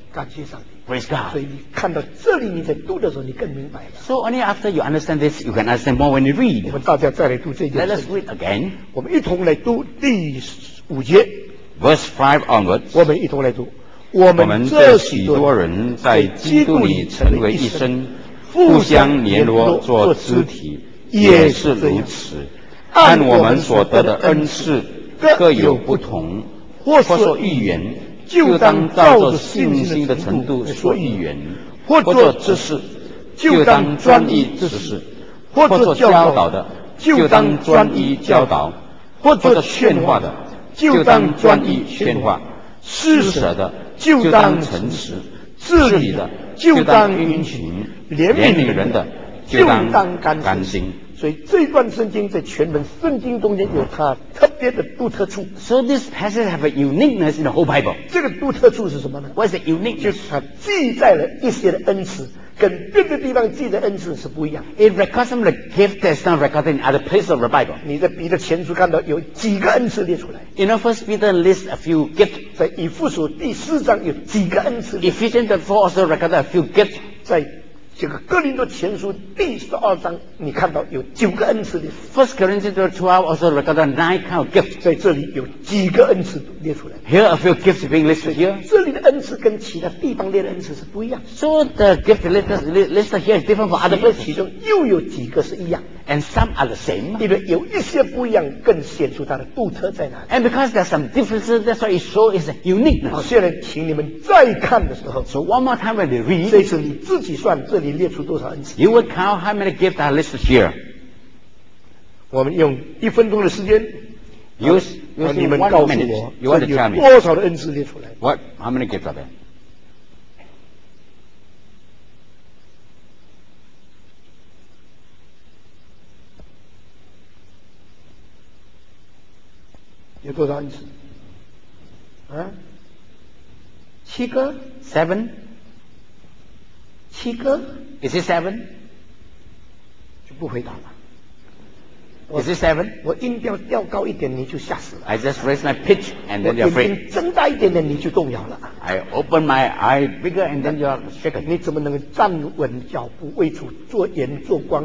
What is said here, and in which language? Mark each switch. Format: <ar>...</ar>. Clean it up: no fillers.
<zh>感谢上帝</zh> <en>Praise God.</en> <zh>所以你看到这里你在读的时候你更明白了</zh> <en>So only after you understand this you can understand more when you read</en> <zh>我们大家再来读这件事</zh> <en>Let us read again</en> <zh>我们一同来读第五节</zh> <en>Verse 5 onwards</en> <zh>我们一同来读我们这许多人在基督里成为一身互相联络做肢体也是如此按我们所得的恩赐各有不同或说预言就当照着信心的程度说预言或做知识就当专一知识或做教导的就当专一教导或做劝化的就当专一劝化施舍的就当诚实治理的就当殷勤怜悯人的就当甘心所以这段圣经在全本圣经中间有它特别的独特处</zh> <en>So this passage has a uniqueness in the whole Bible</en> <zh>这个独特处是什么呢</zh> <en>What is the uniqueness</en> <zh>就是它记载了一些的恩赐跟别的地方记的恩赐是不一样</zh> <en>It records some of the gift that's not recorded in other places of the Bible</en> <zh>你在彼得前书看到有几个恩赐列出来</zh> <en>You know first Peter lists a few gifts</en> <zh>在以弗所第四章有几个恩赐</zh> <en>Ephesians 4 also recorded a few gifts</en> <zh>在这个哥林多前书第十二章，你看到有九个恩赐的。</zh> <en>First Corinthians 12 also got a nine kind of gifts.</en> <zh>在这里有几个恩赐列出来。</zh> <en>Here a few gifts being listed here.</en> <zh>这里的恩赐跟其他地方列的恩赐是不一样。</zh> <en>So the gift listed here is different from other places.</en> <zh>其中又有几个是一样。</zh> <en>And some are the same.</en> <zh>因为有一些不一样，更显出它的独特在哪里。</zh> <en>And because there are some differences, that's why it shows its uniqueness.</en> <zh>好，现在请你们再看的时候。</zh> <en>So one more time when you read.</en> <zh>这次你自己算这里列出多少恩赐。</zh> <en>You would count how many gifts are listed here.</en> <zh>我们用一分钟的时间。</zh> <en>Use</en> <zh>你们告诉我，</zh> <en>you want to tell me</en> <zh>这有多少的恩赐列出来。</zh> <en>What? How many gifts are there?</en> <zh>有多少恩赐？啊？七个</zh> <en>？Seven？</en> <zh>七个</zh> <en>？Is it seven？</en> <zh>就不回答了。</zh> <en>Is it seven？</en> <zh>我音调调高一点，你就吓死了。</zh> <en>I just raise my pitch and then you're afraid。</en> <zh>我眼睛睁大一点点，你就动摇了。</zh> <en>I open my eye bigger and then you're shaken。</en> <zh>你怎么能站稳脚步，为主做盐做光</zh>